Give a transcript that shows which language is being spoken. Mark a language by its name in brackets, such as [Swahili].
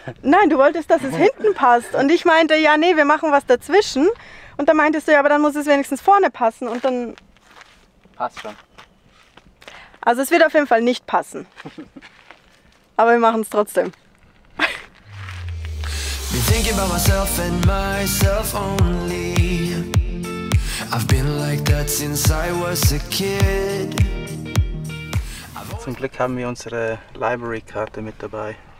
[German] Nein, du wolltest, dass es hinten passt. Und ich meinte, ja, nee, wir machen was dazwischen. Und dann meintest du, ja, aber dann muss es wenigstens vorne passen. Und dann... Passt schon. Also es wird auf jeden Fall nicht passen. Aber wir machen es trotzdem. [English] Been thinking about myself and myself only. I've been like that since I was a kid. [German] Zum Glück haben wir unsere Library-Karte mit dabei.